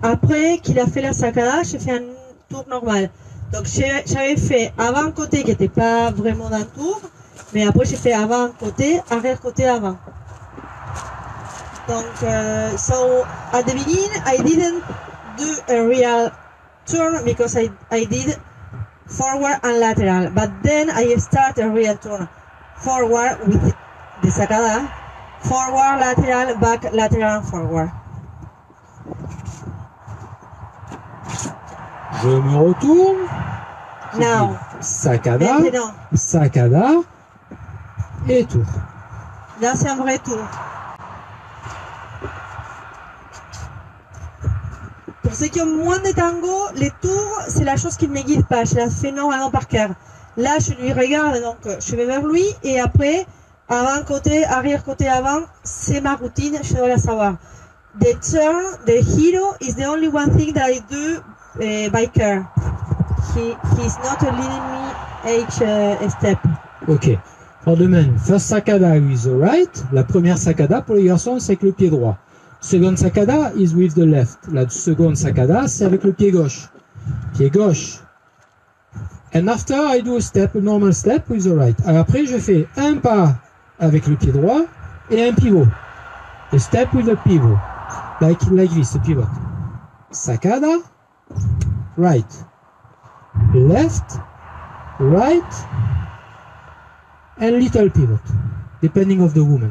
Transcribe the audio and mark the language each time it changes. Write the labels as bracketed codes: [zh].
[fr] Après qu'il a fait la sakada, j'ai fait un tour normal. Donc, j'avais fait avant-côté qui n'était pas vraiment d'un tour, mais après, j'ai fait avant-côté, arrière-côté avant. [en] Donc, so at the beginning I didn't do a real turn because I did forward and lateral, but then I start a real turn forward with the sacada, forward, lateral, back, lateral, forward. [fr] Je me retourne. [en] Now [fr] sacada, sacada et tour. Là c'est un vrai tour. Pour ceux qui ont moins de tango, les tours, c'est la chose qui ne me guide pas. Je la fais normalement par cœur. Là, je lui regarde, donc je vais vers lui. Et après, avant-côté, arrière-côté avant, c'est ma routine, je dois la savoir. [en] The turn, the hero, is the only one thing that I do by cœur. He's not leading me each step. Ok. For the men, first sakada with the right. [fr] La première sakada pour les garçons, c'est avec le pied droit. Seconde sakada [en] is with the left. [fr] La seconde sakada, c'est avec le pied gauche. Pied gauche. [en] And after, I do a step, a normal step with the right. [fr] Alors après, je fais un pas avec le pied droit et un pivot. [en] A step with a pivot. Like this, a pivot. Sakada, right. Left, right. And little pivot. Depending of the woman.